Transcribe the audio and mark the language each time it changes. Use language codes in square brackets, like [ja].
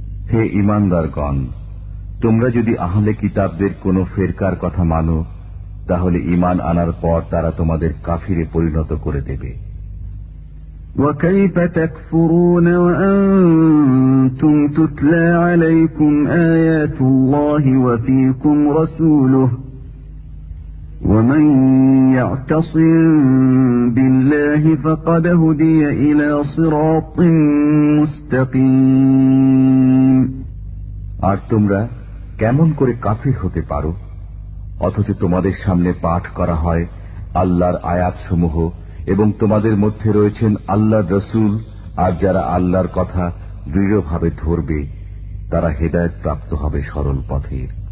[bn] হে ইমানদারগণ, তোমরা যদি আহলে কিতাবদের কোন ফেরকার কথা মানো, তাহলে ইমান আনার পর তারা তোমাদের কাফিরে পরিণত করে দেবে। [ar] وكيف تكفرون وأنتم تتلى عليكم آيات الله وفيكم رسوله ومن يعتصم بالله فقد هدي إلى صراط مستقيم [bn] আর তোমরা কেমন করে কাফির হতে পারো অথচ তোমাদের সামনে পাঠ করা হয় আল্লাহর আয়াতসমূহ এবং তোমাদের মধ্যে রয়েছেন আল্লাহর রাসূল, আর যারা আল্লাহর কথা দৃঢ়ভাবে ধরবে তারা হেদায়েত প্রাপ্ত হবে সরল পথের।